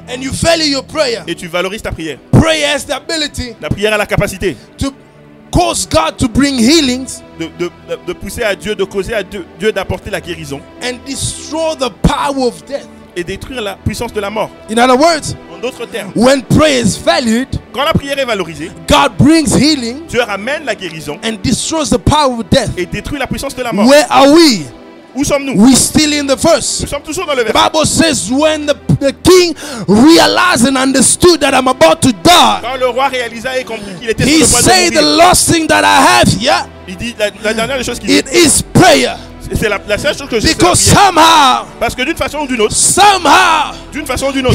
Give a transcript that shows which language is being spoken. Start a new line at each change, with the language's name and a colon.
English: and you value your prayer,
French: et tu valorises ta prière,
English: prayer has the ability,
French: la prière a la capacité,
English: to cause God to bring healings,
French: de pousser à Dieu, de causer à Dieu d'apporter la guérison,
English: and destroy the power of death,
French: et détruire la puissance de la mort.
English: In other words,
French: en d'autres termes,
English: when prayer is valued,
French: Quand la prière est valorisée,
English: God brings healing,
French: Dieu ramène la guérison,
English: and destroys the power of death,
French: et détruit la puissance de la mort.
English: Where are we?
French: Où sommes-nous?
English: We still in the verse.
French: Nous sommes toujours dans le verset.
English: The Bible says when the king realized and understood that I'm about to die.
French: Quand le roi réalisa et comprit qu'il était sur le point de mourir.
English: He said the last thing that I have, yeah.
French: Il dit la dernière chose qu'il
English: dit. It is prayer.
French: C'est la seule chose que je
English: sais. Because somehow,
French: parce que d'une façon ou d'une autre,
English: somehow,
French: d'une façon ou d'une autre,